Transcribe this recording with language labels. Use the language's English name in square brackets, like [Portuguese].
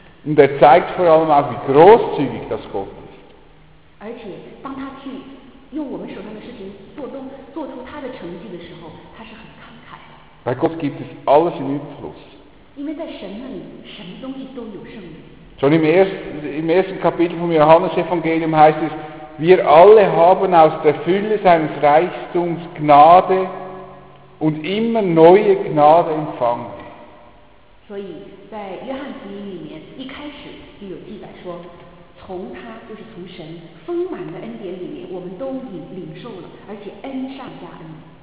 [German] Und er zeigt vor allem auch, wie großzügig das Gott ist. [Chinese] 而且当他去用我们手上的事情做出他的成绩的时候，他是很慷慨的。 [German] Bei Gott gibt es alles im Überfluss. [Chinese] 因为在神那里，什么东西都有剩余。 [German] Schon im ersten Kapitel vom Johannesevangelium heißt es, wir alle haben aus der Fülle seines Reichtums Gnade und immer neue Gnade empfangen.